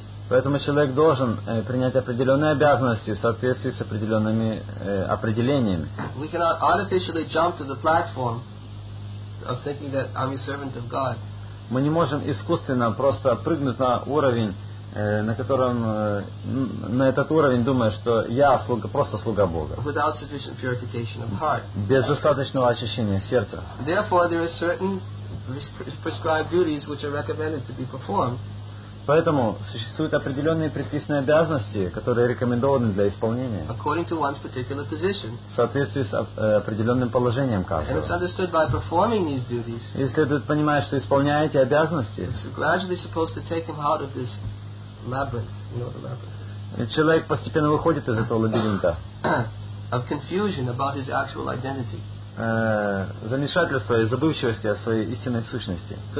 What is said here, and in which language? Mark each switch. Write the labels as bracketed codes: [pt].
[ru] Поэтому человек должен принять определенные обязанности в соответствии с определенными определениями. [en] We cannot artificially jump to the platform of thinking that I'm a servant of God. [ru] Мы не можем искусственно просто прыгнуть на уровень, на котором, на этот уровень, думая, что я слуга, просто слуга Бога. [en] Without sufficient purification of heart. [ru] Без достаточного очищения сердца. [en] Therefore, there are certain prescribed duties which are recommended to be performed. [ru] Поэтому существуют определенные предписанные обязанности, которые рекомендованы для исполнения. [en] According to one's particular position. [ru] В соответствии с определенным положением каждого. [en] And it's understood by performing these duties. [ru] И следует понимать, что исполняя эти обязанности. [en] Gradually supposed to take him out of this labyrinth. You know the labyrinth. [ru] Человек постепенно выходит из этого лабиринта. [en] Of confusion about his actual identity. [ru] Замешательства и забывчивости о своей истинной сущности.